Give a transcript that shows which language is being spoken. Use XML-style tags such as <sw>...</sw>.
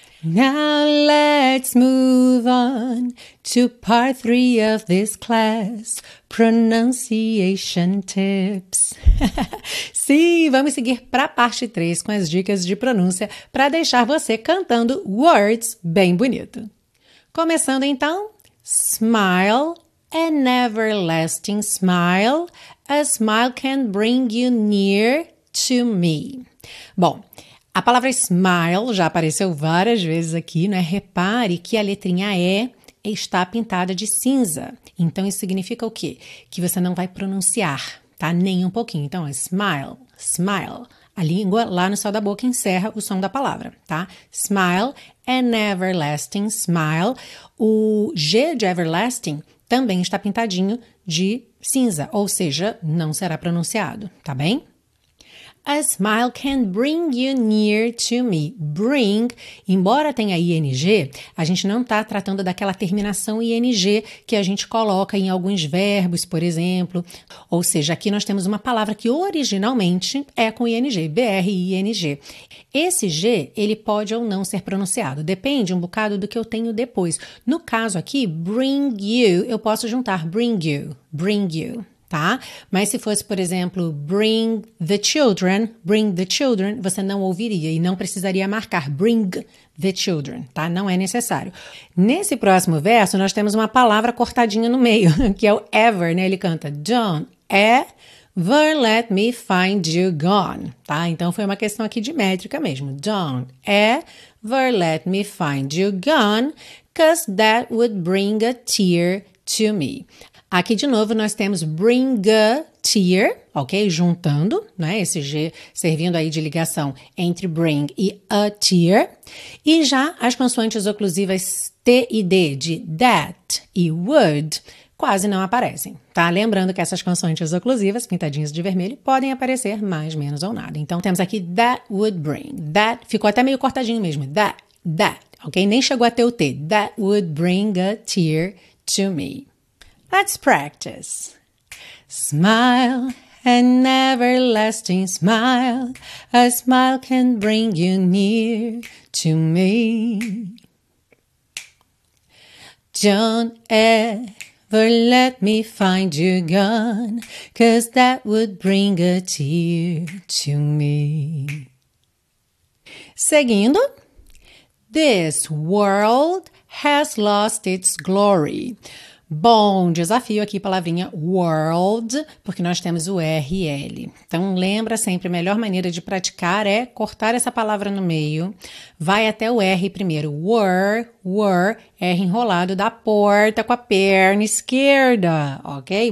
<en>Now let's move on to part 3 of this class, pronunciation tips.</en> <pt>Sim, vamos seguir para a parte 3 com as dicas de pronúncia para deixar você cantando words bem bonito. Começando então,</pt> <en>smile, an everlasting smile, a smile can bring you near to me.</en> <pt>Bom, a palavra smile já apareceu várias vezes aqui, né? Repare que a letrinha E está pintada de cinza. Então, isso significa o quê? Que você não vai pronunciar, tá? Nem um pouquinho. Então, é smile, smile. A língua lá no céu da boca encerra o som da palavra, tá?</pt> <en>Smile, an everlasting smile.</en> <pt>O G de everlasting também está pintadinho de cinza, ou seja, não será pronunciado, tá bem?</pt> <en>A smile can bring you near to me.</en> <pt>Bring, embora tenha ing, a gente não está tratando daquela terminação ing que a gente coloca em alguns verbos, por exemplo. Ou seja, aqui nós temos uma palavra que originalmente é com ing, b-r-i-n-g. Esse g, ele pode ou não ser pronunciado. Depende um bocado do que eu tenho depois. No caso aqui, bring you, eu posso juntar bring you. Tá? Mas se fosse, por exemplo,</pt> <en>bring the children,</en> <pt>você não ouviria e não precisaria marcar bring the children, tá? Não é necessário. Nesse próximo verso, nós temos uma palavra cortadinha no meio, que é o ever, né? Ele canta,</pt> <en>don't ever let me find you gone,</en> <pt>tá? Então, foi uma questão aqui de métrica mesmo.</pt> <en>Don't ever let me find you gone, 'cause that would bring a tear to me.</en> <pt>Aqui, de novo, nós temos bring a tear, ok? Juntando, né? Esse G servindo aí de ligação entre bring e a tear. E já as consoantes oclusivas T e D de that e would quase não aparecem, tá? Lembrando que essas consoantes oclusivas, pintadinhas de vermelho, podem aparecer mais, menos ou nada. Então, temos aqui</pt> <en>that would bring.</en> <pt>That ficou até meio cortadinho mesmo. That, ok? Nem chegou a ter o T.</pt> <en>That would bring a tear to me. Let's practice. Smile, an everlasting smile. A smile can bring you near to me. Don't ever let me find you gone, 'cause that would bring a tear to me.</en> <pt>Seguindo.</pt> <en>This world has lost its glory.</en> <pt>Bom, desafio aqui, palavrinha world, porque nós temos o RL. Então, lembra sempre, a melhor maneira de praticar é cortar essa palavra no meio. Vai até o R primeiro. Were, R enrolado da porta com a perna esquerda, ok?</pt>